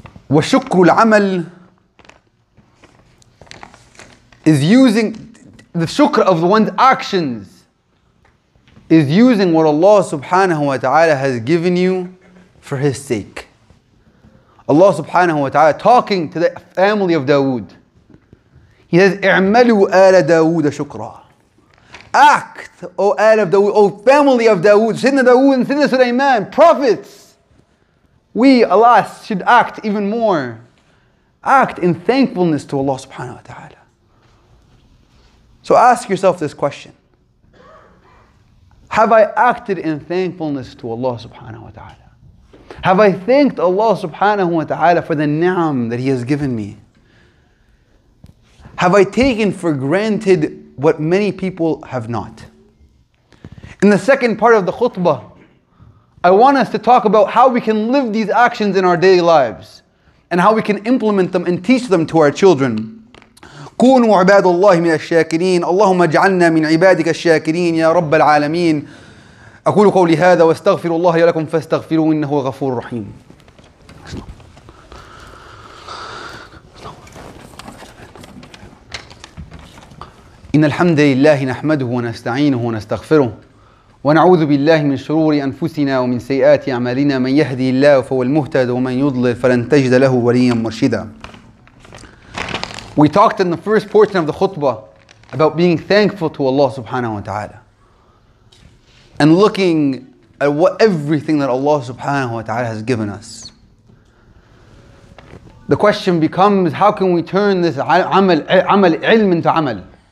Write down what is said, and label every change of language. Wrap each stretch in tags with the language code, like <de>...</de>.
<ar>وَشُكْرُ الْعَمَلِ</ar> <en>is using the shukr of one's actions. Is using what Allah subhanahu wa ta'ala has given you for His sake. Allah subhanahu wa ta'ala talking to the family of Dawood. He says,</en> <ar>اعملوا آل داود شكرا.</ar> <en>Act, O آل of Dawood, O family of Dawood, Sidna Dawood and Sidna Sulaiman, prophets. We, alas, should act even more. Act in thankfulness to Allah subhanahu wa ta'ala. So ask yourself this question. Have I acted in thankfulness to Allah subhanahu wa ta'ala? Have I thanked Allah subhanahu wa ta'ala for the ni'am that He has given me? Have I taken for granted what many people have not? In the second part of the khutbah, I want us to talk about how we can live these actions in our daily lives and how we can implement them and teach them to our children.</en> <ar>كونوا عباد الله من الشاكرين اللهم اجعلنا من عبادك الشاكرين يا رب العالمين أقول قولي هذا واستغفر الله لكم فاستغفروا إنه غفور رحيم. إن الحمد لله نحمده ونستعينه ونستغفره ونعوذ بالله من شرور أنفسنا ومن سيئات أعمالنا من يهدي الله فهو المهتد ومن يضلل فلن تجد له وليا مرشدا.</ar> <en>We talked in the first portion of the khutbah about being thankful to Allah subhanahu wa ta'ala and looking at what everything that Allah subhanahu wa ta'ala has given us. The question becomes, how can we turn this amal ilm into amal?</en>